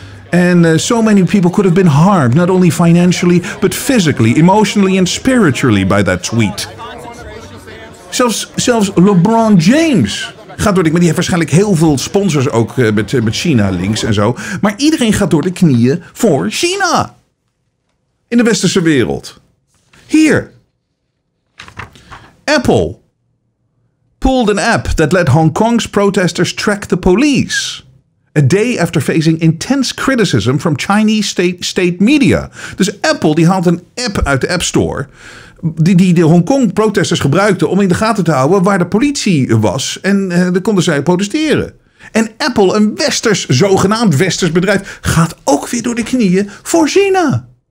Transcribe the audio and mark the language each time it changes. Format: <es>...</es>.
<en>And so many people could have been harmed, not only financially, but physically, emotionally and spiritually by that tweet.</en> <nl>Zelfs LeBron James gaat door de knieën. Die heeft waarschijnlijk heel veel sponsors ook met China links en zo. Maar iedereen gaat door de knieën voor China. In de westerse wereld. Hier.</nl> <en>Apple pulled an app that let Hong Kong's protesters track the police. A day after facing intense criticism from Chinese state media.</en> <nl>Dus Apple die haalt een app uit de App Store. Die de Hongkong protesters gebruikten om in de gaten te houden waar de politie was. En dan konden zij protesteren. En Apple, een westers, zogenaamd westers bedrijf, gaat ook weer door de knieën voor China.</nl>